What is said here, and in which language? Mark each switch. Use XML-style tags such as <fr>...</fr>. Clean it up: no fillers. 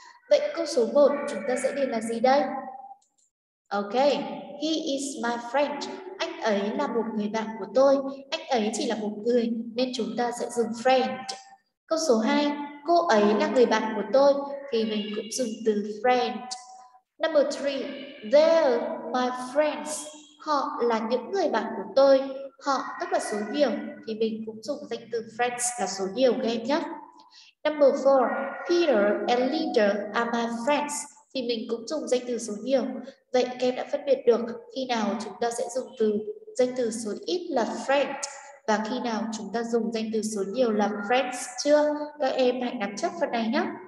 <vi>Vậy câu số 1 chúng ta sẽ điền là gì đây?</vi> <en>Ok, he is my friend.</en> <vi>Anh ấy là một người bạn của tôi. Anh ấy chỉ là một người nên chúng ta sẽ dùng friend. Câu số 2, cô ấy là người bạn của tôi thì mình cũng dùng từ friend.</vi> <en>Number 3, they're my friends.</en> <vi>Họ là những người bạn của tôi. Họ tức là số nhiều thì mình cũng dùng danh từ friends là số nhiều các em nhé.</vi> <en>Number 4, Peter and Linda are my friends.</en> <vi>Thì mình cũng dùng danh từ số nhiều. Vậy các em đã phân biệt được khi nào chúng ta sẽ dùng từ danh từ số ít là friend và khi nào chúng ta dùng danh từ số nhiều là friends chưa? Các em hãy nắm chắc phần này nhé.</vi>